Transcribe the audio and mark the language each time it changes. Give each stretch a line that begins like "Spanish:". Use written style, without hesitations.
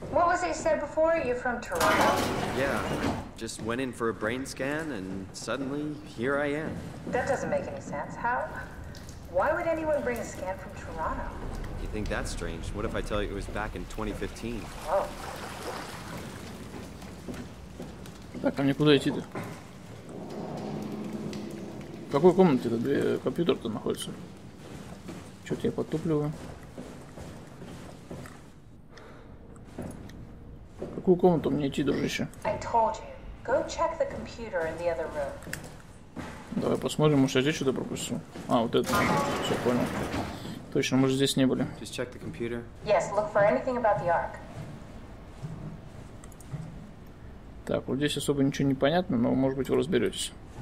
English: What was it you said before? You from Toronto? Yeah, just went in for a brain scan and suddenly here I am. That doesn't make any sense. How? Why would anyone bring a scan from Toronto? You think that's strange? What if I tell you it was back in 2015? Oh.
Russian: Так, а мне куда идти-то? В какой комнате этот компьютер-то находится? Чё-то я потупливаю. Какую комнату мне идти, дружище?
English: I told you. Go check the computer in the other room.
Russian: Давай посмотрим, может я здесь что-то пропустил. А, вот это. Все, понял. Точно, мы же здесь не были.
English: Just check the computer. Yes, look for anything about the Ark.
Russian: Так, вот здесь особо ничего не понятно, но, может быть, вы разберетесь.